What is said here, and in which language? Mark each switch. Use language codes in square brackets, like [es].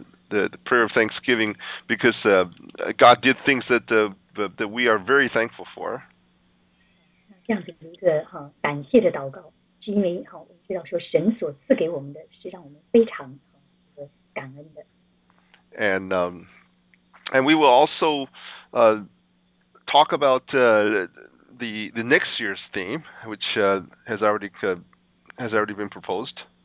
[en] the prayer of thanksgiving, because God did things that that we are very thankful for. [zh] 这样子一个感谢的祷告。 [en] And we will also talk about the next year's theme, which has already been proposed.